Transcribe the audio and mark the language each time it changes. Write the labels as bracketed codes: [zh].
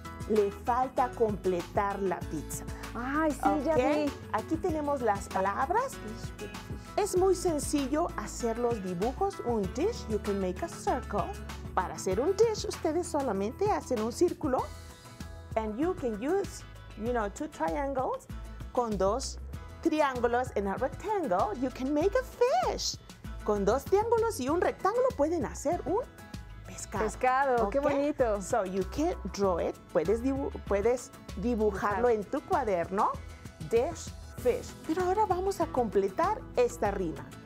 [es] Le falta completar la pizza. Ay, sí, okay. Ya vi. Aquí tenemos las palabras. Es muy sencillo hacer los dibujos. [en] Un dish, you can make a circle. [es] Para hacer un dish, ustedes solamente hacen un círculo. [en] And you can use, you know, two triangles. [es] Con dos triángulos en [en] a rectangle, you can make a fish. [es] Con dos triángulos y un rectángulo pueden hacer un pescado, okay. Qué bonito. [en] So you can draw it. [es] Puedes dibujarlo en tu cuaderno. dish, fish. Pero ahora vamos a completar esta rima.